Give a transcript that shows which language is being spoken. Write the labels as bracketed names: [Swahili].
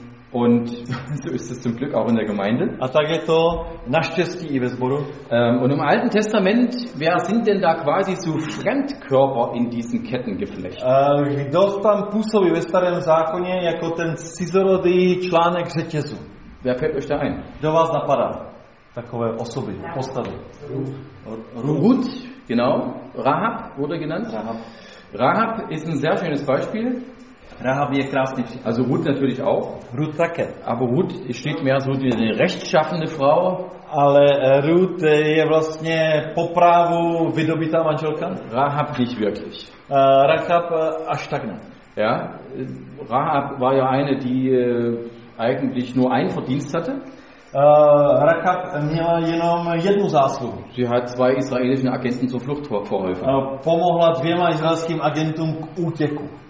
[German] Und so ist es zum Glück auch in der Gemeinde. [Czech] A tak je to naštěstí i ve sboru. [German] Und im Alten Testament, wer sind denn da quasi so Fremdkörper in diesen Ketten geflecht? [Czech] Kdo tam působí ve starém zákoně jako ten cizorodý článek řetězu? [German] Wer fällt euch da ein? [Czech] Kdo vás napadá? Takové osoby, postavy. [German] Ruth, genau. Rahab wurde genannt. Rahab ist ein sehr schönes Beispiel. [Czech] Rahab je krásný příklad. [German] Also Ruth natürlich auch. [Czech] Ruth také. [German] Aber Ruth steht mehr so wie eine rechtschaffende Frau. [Czech] Ale Ruth je vlastně po právu vydobitá manželka. [German] Rahab nicht wirklich. [Czech] Rahab až tak ne. [German] Ja, Rahab war ja eine, die eigentlich nur ein Verdienst hatte. [Czech] Rahab měla jenom jednu zásluhu. [German] Sie hat zwei israelischen Agenten zur Flucht verholfen. [Czech] Pomohla dvěma izraelským agentům k útěku.